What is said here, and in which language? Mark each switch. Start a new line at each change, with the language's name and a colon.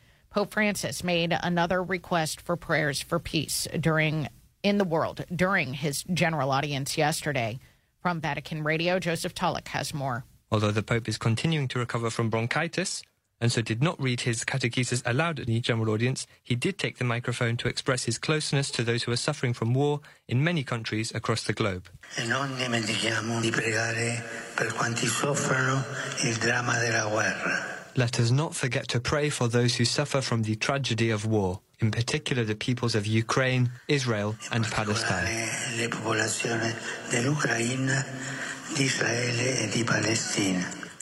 English: Pope Francis made another request for prayers for peace in the world during his general audience yesterday. From Vatican Radio, Joseph Tulloch has more. Although the Pope is continuing to recover from bronchitis, and so did not read his catechesis aloud at the general audience, he did take the microphone to express his closeness to those who are suffering from war in many countries across the globe.
Italian: Non dimentichiamo di pregare per quanti soffrono il dramma della guerra.
English: Let us not forget to pray for those who suffer from the tragedy of war, in particular the peoples of Ukraine, Israel, and Palestine.
Italian: Le popolazioni dell'Ucraina, di Israele e di Palestina.